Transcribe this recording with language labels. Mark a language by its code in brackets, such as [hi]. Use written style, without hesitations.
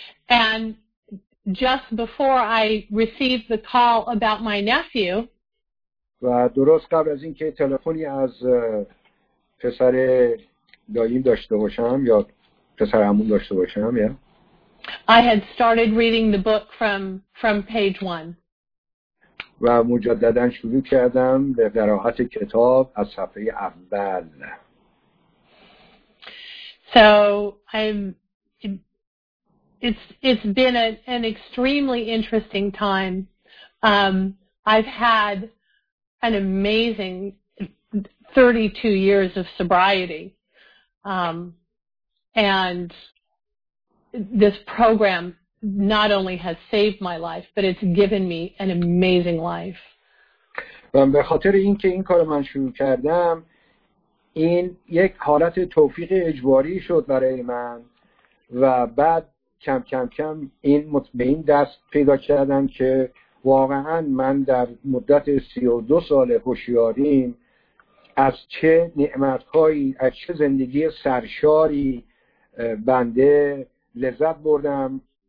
[en] And just before I received the call about my nephew. [fa] و درست قبل از اینکه تلفنی از پسر داییم داشته باشم یا پسر عمو داشته باشم، یا [en] I had started reading the book from page 1. [fa] و مجدداً شروع کردم به قرائت کتاب از صفحه اول. [en] So it's been an extremely interesting time. I've had an amazing 32 years of sobriety. And this program not only has saved my life, but it's given me an amazing life. [fa] و به خاطر اینکه این کارو من شروع کردم، این یک حالت توفیق اجباری شد برای من و بعد کم کم این مطمئن دست پیدا کردم که واقعا من در مدت 32 سال هوشیاریم از چه نعمتهایی، از چه زندگی سرشاری بنده لذت بردم.